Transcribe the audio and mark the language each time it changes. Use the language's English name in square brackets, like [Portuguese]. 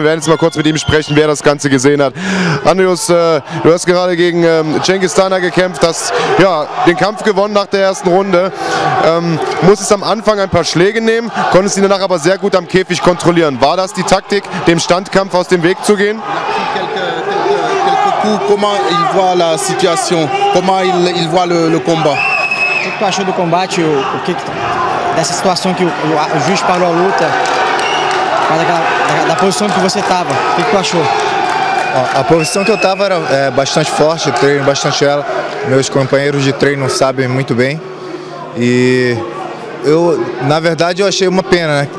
[German] Wir werden jetzt mal kurz mit ihm sprechen, wer das Ganze gesehen hat. Andrew, du hast gerade gegen Cengiz Dana gekämpft, hast ja den Kampf gewonnen nach der ersten Runde. Musstest am Anfang ein paar Schläge nehmen, konntest ihn danach aber sehr gut am Käfig kontrollieren. War das die Taktik, dem Standkampf aus dem Weg zu gehen? [French] Comment il voit la situation? Comment il voit le combat? [Portuguese] O que tu achou do combate? O que dessa situação que o juiz parou a luta? Da posição que você estava, o que tu achou? A posição que eu estava era bastante forte, treino bastante ela. Meus companheiros de treino sabem muito bem. E eu, na verdade, eu achei uma pena, né?